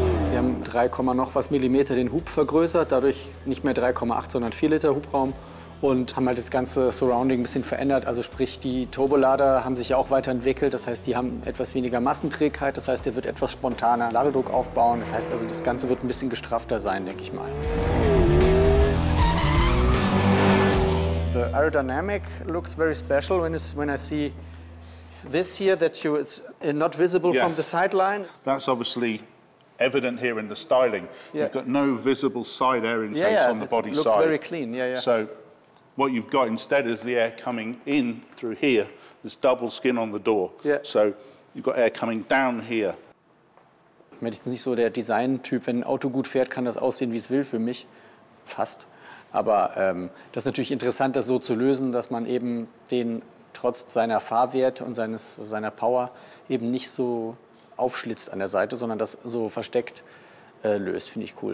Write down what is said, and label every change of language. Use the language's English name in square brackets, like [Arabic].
[German] Wir haben 3, noch was Millimeter den Hub vergrößert, dadurch nicht mehr 3,8, sondern 4 Liter Hubraum. Und haben halt das ganze Surrounding ein bisschen verändert. Also sprich, die Turbolader haben sich ja auch weiterentwickelt. Das heißt, die haben etwas weniger Massenträgheit. Das heißt, der wird etwas spontaner Ladedruck aufbauen. Das heißt also, das Ganze wird ein bisschen gestraffter sein, denke ich mal. [English] The aerodynamic looks very special when I see this here, that you, it's not visible. Yes. From the sideline. That's obviously evident here in the styling. Yeah. You've got no visible side air intakes. Yeah, yeah. On the body side. It looks very clean, yeah, yeah. So, what you've got instead is the air coming in through here. This double skin on the door. Yeah. So you've got air coming down here. [German] Wenn ich nicht so der Design-Typ, wenn ein Auto gut fährt, kann das aussehen, wie es will für mich. Fast. Aber das ist natürlich interessant, das so zu lösen, dass man eben den trotz seiner Fahrwerte und seiner Power eben nicht so aufschlitzt an der Seite, sondern das so versteckt löst, finde ich cool.